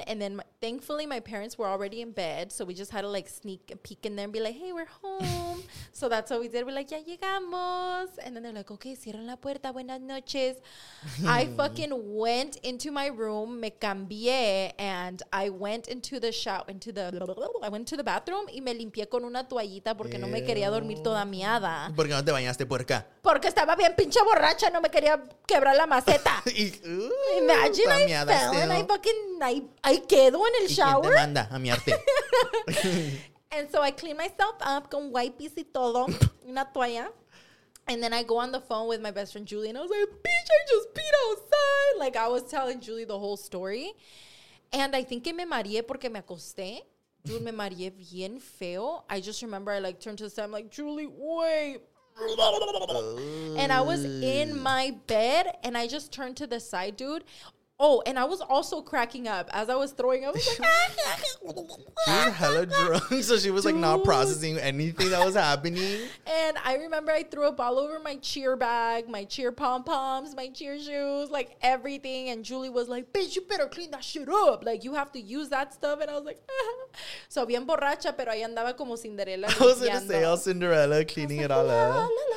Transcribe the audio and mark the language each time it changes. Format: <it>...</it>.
<en>And then thankfully, my parents were already in bed. So we just had to, like, sneak a peek in there and be like, hey, we're home. So that's what we did. We're like,</en> <es>ya llegamos.</es> <en>And then they're like, okay,</en> <es>cierran la puerta. Buenas noches.</es> <en>I fucking went into my room.</en> <es>Me cambié.</es> <en>And I went into the shower. I went to the bathroom.</en> <es>Y me limpié con una toallita porque no me quería dormir toda miada. Porque no te bañaste, puerca. Porque estaba bien pinche borracha. No me quería quebrar la maceta. Imagine I miada. Fell. And I fucking, I quedo in the shower. ¿Quién te manda a miarte?</es> <en>And so I clean myself up</en> <es>con wipes y todo, una toalla.</es> <en>And then I go on the phone with my best friend Julie. And I was like, bitch, I just peed outside. Like, I was telling Julie the whole story. And I think</en> <es>que me mareé porque me acosté.</es> <en>Dude,</en> <es>me mareé bien feo.</es> <en>I just remember I, like, turned to the side. I'm like, Julie, wait. And I was in my bed. And I just turned to the side, dude. Oh, and I was also cracking up as I was throwing up. She was hella drunk, so she was like not processing anything that was happening. And I remember I threw up all over my cheer bag, my cheer pom-poms, my cheer shoes, like everything. And Julie was like, bitch, you better clean that shit up. Like, you have to use that stuff. And I was like, so</en> <es>bien borracha, pero ahí andaba como Cinderella.</es> <en>I was going to say, all Cinderella cleaning it all up.</en>